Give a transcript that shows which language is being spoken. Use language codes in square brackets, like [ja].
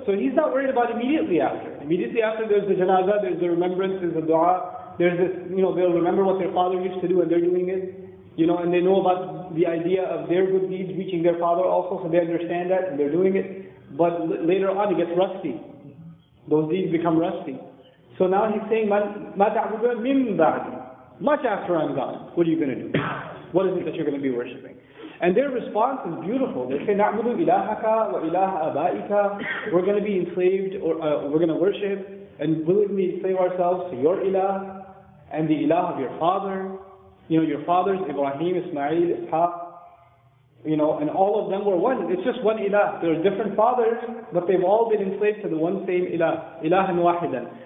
[en] So he's not worried about immediately after. Immediately after, there's the janazah, there's the remembrance, there's the dua, there's this, you know, they'll remember what their father used to do, and they're doing it, you know, and they know about the idea of their good deeds reaching their father also, so they understand that, and they're doing it. But later on, it gets rusty. Those deeds become rusty. So now he's saying, [ar] مَا تَعْبُدُونَ مِنْ بَعْدِ. [en] Much after I'm gone, what are you going to do? What is it that you're going to be worshipping? And their response is beautiful. [ar] They say, نَعْبُدُ إِلَهَكَ وَإِلَهَ أَبَائِكَ. [en] We're going to be enslaved, or we're going to worship and willingly enslave ourselves to your ilah and the ilah of your father. You know, your fathers, Ibrahim, Ismail, Ishaq, you know, and all of them were one. It's just one ilah. There are different fathers, but they've all been enslaved to the one same ilah, [ar] ilahan wahidan.